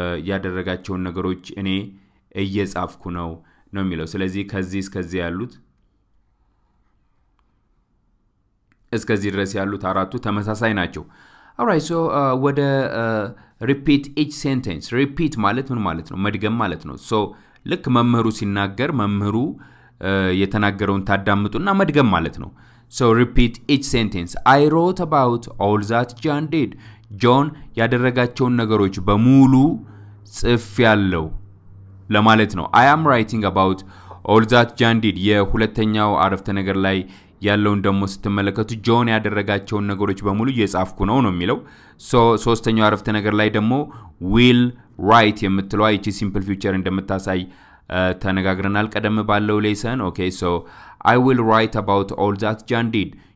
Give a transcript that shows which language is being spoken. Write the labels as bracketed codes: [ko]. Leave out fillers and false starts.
[am] ያደረጋቸውን ነገሮች እኔ እየጻፍኩ ነው ነው የሚለው ስለዚህ ከዚህ እስከዚህ ያሉት እስከዚህ ድረስ ያሉት አራቱ ተመሳሳይ ናቸው [en] all right so [am] ወደ [en] repeat each sentence [am] repeat ማለት ምን ማለት ነው መድገም ማለት ነው so ልክ መምህሩ ሲናገር መምህሩ የተናገረውን ታዳምጡና መድገም ማለት ነው [en] So repeat each sentence. I wrote about all that John did. [am] John ያደረጋቸውን ነገሮች በሙሉ ጽፌያለሁ ለማለት ነው. [en] I am writing about all that John did. [am] የሁለተኛው አረፍተ ነገር ላይ ያለውን ደግሞ ስትመለከቱ ጆን ያደረጋቸውን ነገሮች በሙሉ እየጻፍኩ ነው የሚለው። ሶ ሶስተኛው አረፍተ ነገር ላይ ደግሞ will write የምትለው አይቺ ሲምፕል ፊውቸር እንደምታሳይ ተነጋግረናል ቀደም ባለው ሌሰን። [en] okay so I will write about all that John did.